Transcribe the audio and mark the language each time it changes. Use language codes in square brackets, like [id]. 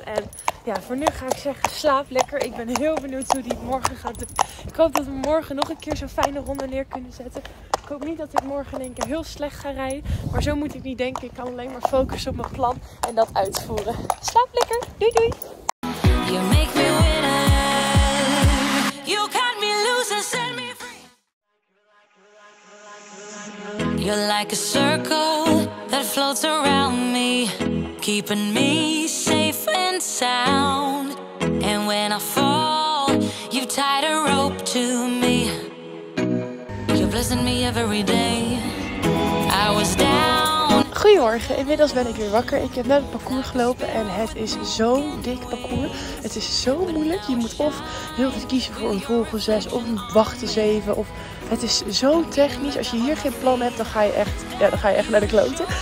[nl] En ja, voor nu ga ik zeggen slaap lekker. Ik ben heel benieuwd hoe die het morgen gaat doen. Ik hoop dat we morgen nog een keer zo'n fijne ronde neer kunnen zetten. Ik hoop niet dat ik morgen in één keer heel slecht ga rijden. Maar zo moet ik niet denken. Ik kan alleen maar focussen op mijn plan en dat uitvoeren. Slaap lekker. Doei doei. [en] You make me winner. You got me losing, set me free. You're like a circle that floats around me, keeping me safe and sound. And when I fall, you tied a rope to me. You're blessing me every day. I was down. [nl] Goedemorgen, inmiddels ben ik weer wakker. Ik heb net het parcours gelopen en het is zo'n dik parcours. Het is zo moeilijk. Je moet of heel goed kiezen voor een vogel 6 of een wachten 7. Of het is zo technisch. Als je hier geen plan hebt, dan ga je echt, ja, dan ga je echt naar de kloten.